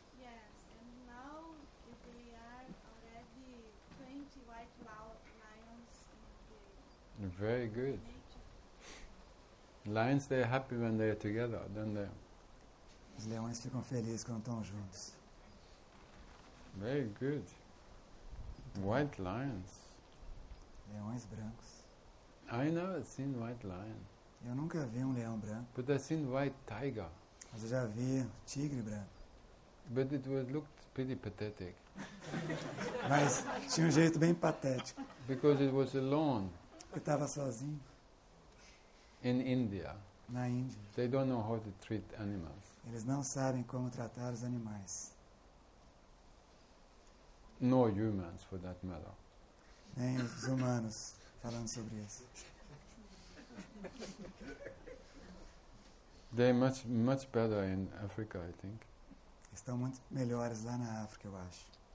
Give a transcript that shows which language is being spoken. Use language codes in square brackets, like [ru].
[en] Yes, and now there are already 20 white lions in the Very good. Nature. Lions, they're happy when they're together, don't they? [pt] Os leões ficam felizes quando estão juntos. [en] Very good. White lions. [pt] Leões brancos. [en] I never seen white lion. [pt] Eu nunca vi leão branco. [en] But I've seen white tiger. [pt] Mas eu já vi tigre branco. [en] But it was looked pretty pathetic. [pt] Mas tinha jeito bem patético. [en] Because it was alone. [pt] Eu estava sozinho. [en] In India. [pt] Na Índia. [en] They don't know how to treat animals. [pt] Eles não sabem como tratar os animais. [en] Nor humans, for that matter. [pt] Nem os humanos falando sobre isso. [en] They're much better in Africa, I think. [pt] Estão muito melhores lá na África, eu acho.